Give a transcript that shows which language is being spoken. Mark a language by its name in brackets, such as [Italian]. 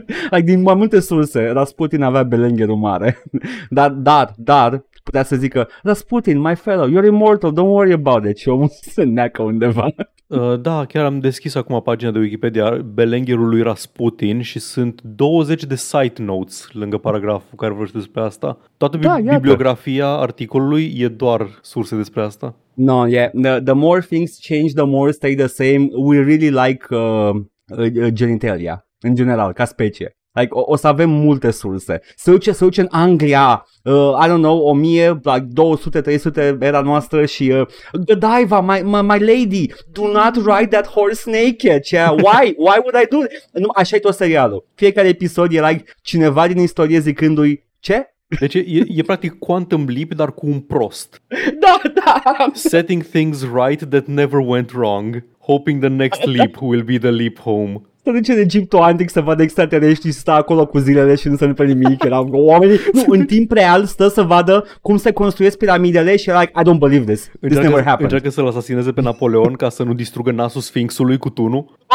[Romanian] Like, din mai multe surse, Rasputin avea belengherul mare. Dar, putea să zică: [English] "Rasputin, my fellow, you're immortal, don't worry about it." [Romanian] Și omul se neacă undeva. Da, chiar am deschis acum pagina de Wikipedia belengherul lui Rasputin și sunt 20 de site notes lângă paragraful care vorbește despre asta. Toată bibliografia articolului e doar surse despre asta. [English] No, yeah, the more things change, the more stay the same. We really like genitalia, [Romanian] în general, ca specie. Like, o să avem multe surse. Se duce în Anglia, [English] I don't know, [Romanian] 1000, like 200-300 era noastră și Godiva, [English] my lady, do not ride that horse naked. Yeah, why would I do it? [Romanian] Așa e tot serialul. Fiecare episod e like cineva din istorie zicându-i ce? Deci e practic Quantum Leap, dar cu un prost. Da. [English] Setting things right that never went wrong, hoping the next leap will be the leap home. [Romanian] Să duce în Egiptul antic să vadă extraterestri și stă acolo cu zilele și nu se întâmplă nimic. Era oamenii, nu, în timp real stă să vadă cum se construiesc piramidele și era like, [English] I don't believe this. This never happened. [Romanian] Încearcă să-l asasineze pe Napoleon ca să nu distrugă nasul Sfinxului cu tunul.